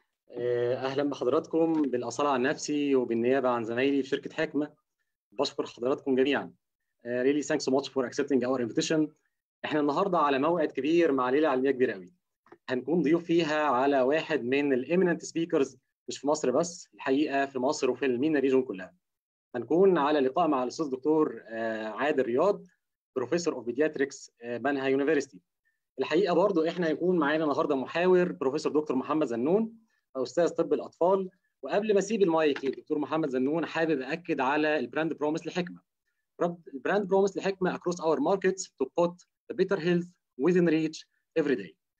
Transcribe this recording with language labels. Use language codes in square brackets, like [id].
[ar] اهلا بحضراتكم بالاصاله عن نفسي وبالنيابه عن زمايلي في شركه حكمه. بشكر حضراتكم جميعا. [en] Really thanks so much for accepting our invitation. [ar] احنا النهارده على موعد كبير مع ليله علميه كبيره قوي. هنكون ضيوف فيها على واحد من الايمننت سبيكرز مش في مصر بس، الحقيقه في مصر وفي المينا ريجون كلها. هنكون على لقاء مع الاستاذ الدكتور عادل رياض، بروفيسور اوف بيدياتريكس بنها يونيفرستي. الحقيقه برضو احنا هيكون معانا النهارده محاور بروفيسور دكتور محمد زنون، استاذ طب الاطفال. وقبل ما اسيب المايك للدكتور محمد زنون، حابب اكد على البراند بروميس لحكمه. البراند بروميس لحكمه [en] across our markets to put the better health within reach every day.